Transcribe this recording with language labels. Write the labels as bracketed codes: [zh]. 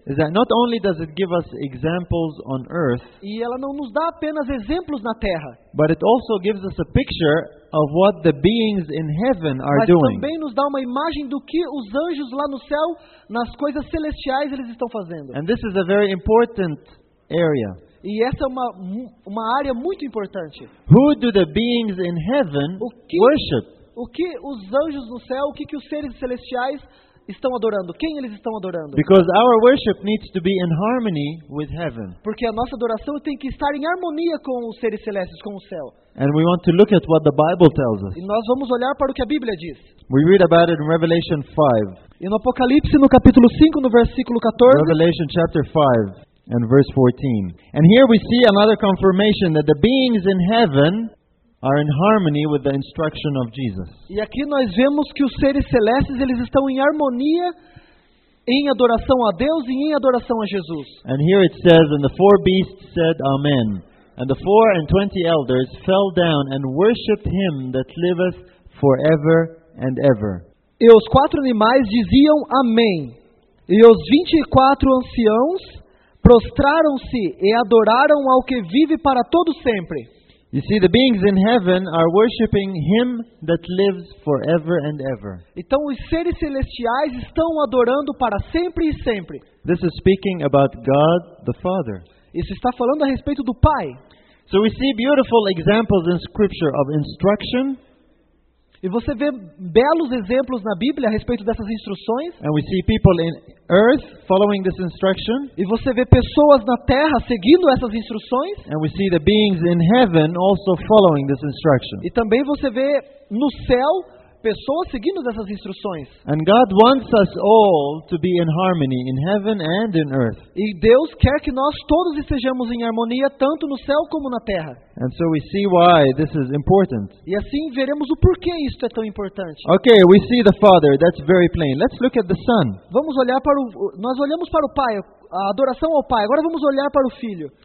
[en] Is that not only does it give us examples on earth. [pt] E ela não nos dá apenas exemplos na terra. [en] But it also gives us a picture of what the beings in heaven are doing. [pt] Mas também nos dá uma imagem do que os anjos lá no céu, nas coisas celestiais, eles estão fazendo. [en] And this is a very important area. [pt] E essa é uma área muito importante. [en] Who do the beings in heaven worship? [pt] O que os anjos no céu, o que os seres celestiais estão adorando? Quem eles estão adorando? [en] Because our worship needs to be in harmony with heaven. [pt] Porque a nossa adoração tem que estar em harmonia com os seres celestes, com o céu. [en] And we want to look at what the Bible tells us. [pt] E nós vamos olhar para o que a Bíblia diz. [en] We read about it in Revelation 5. [pt] E no Apocalipse, no capítulo 5, no versículo 14. [en] Revelation chapter 5. And verse 14. And here we see another confirmation that the beings in heaven are in harmony with the instruction of Jesus. [pt] E aqui nós vemos que os seres celestes eles estão em harmonia em adoração a Deus e em adoração a Jesus. [en] And here it says, and the four beasts said, Amen. And the 24 elders fell down and worshipped him that liveth forever and ever. [pt] E os quatro animais diziam, Amém. E os 24 anciãos prostraram-se e adoraram ao que vive para todo sempre. [en] You see, the beings in heaven are worshiping him that lives forever and ever. [pt] Então os seres celestiais estão adorando para sempre e sempre. [en] This is speaking about God the Father. [pt] Isso está falando a respeito do Pai. [en] So we see beautiful examples in scripture of instruction. [pt] E você vê belos exemplos na Bíblia a respeito dessas instruções. [en] And we see people in earth following this instruction. [pt] E você vê pessoas na terra seguindo essas instruções. [en] And we see the beings in heaven also following this instruction. [pt] E também você vê no céu pessoas seguindo essas instruções. [en] And God wants us all to be in harmony in heaven and in earth. [pt] E Deus quer que nós todos estejamos em harmonia tanto no céu como na terra. [en] And so we see why this is important. [pt] E assim veremos o porquê isso é tão importante. [en] Okay, we see the Father, that's very plain. Let's look at the Son. [pt] Vamos olhar para nós olhamos para o Pai, a adoração ao Pai. Agora vamos olhar para o Filho.